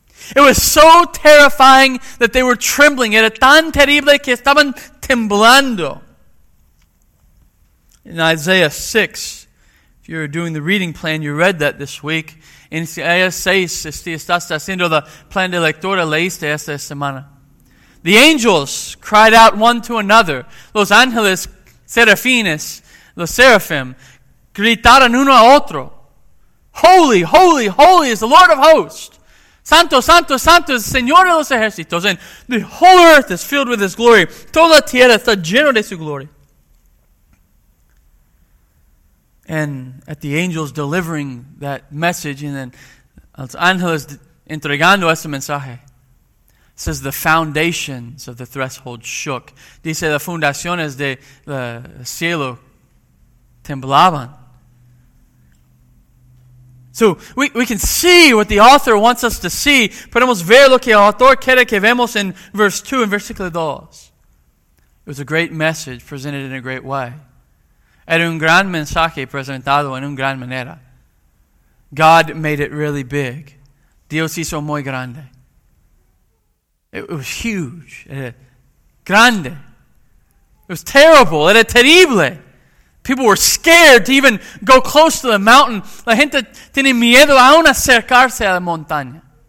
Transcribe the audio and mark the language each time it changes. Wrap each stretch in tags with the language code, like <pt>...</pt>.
<en>It was so terrifying that they were trembling.</en> <es>Era tan terrible que estaban temblando.</es> <en>In Isaiah 6, you're doing the reading plan, you read that this week.</en> <es>En Isaías 6, estás haciendo el plan de lectura, leíste esta semana.</es> <en>The angels cried out one to another.</en> <es>Los ángeles, serafines, los seraphim, gritaron uno a otro.</es> <en>Holy, holy, holy is the Lord of hosts.</en> <es>Santo, santo, santo es el Señor de los ejércitos.</es> <en>And the whole earth is filled with his glory.</en> <es>Toda la tierra está llena de su gloria.</es> <en>And at the angels delivering that message, and then</en> <es>los ángeles entregando ese mensaje,</es> <en>says the foundations of the threshold shook.</en> <es>Dice, las fundaciones del cielo temblaban.</es> <en>So we can see what the author wants us to see.</en> <es>Podemos ver lo que el autor quiere que vemos en</es> <en>verse 2 and</en> <es>versículo 2.</es> <en>It was a great message presented in a great way.</en> <es>Era un gran mensaje presentado en una gran manera.</es> <en>God made it really big.</en> <es>Dios hizo muy grande.</es> <en>It was huge.</en> <es>Grande.</es> <en>It was terrible.</en> <es>Era terrible.</es> <en>People were scared to even go close to the mountain.</en> <es>La gente tiene miedo aún acercarse a la montaña.</es>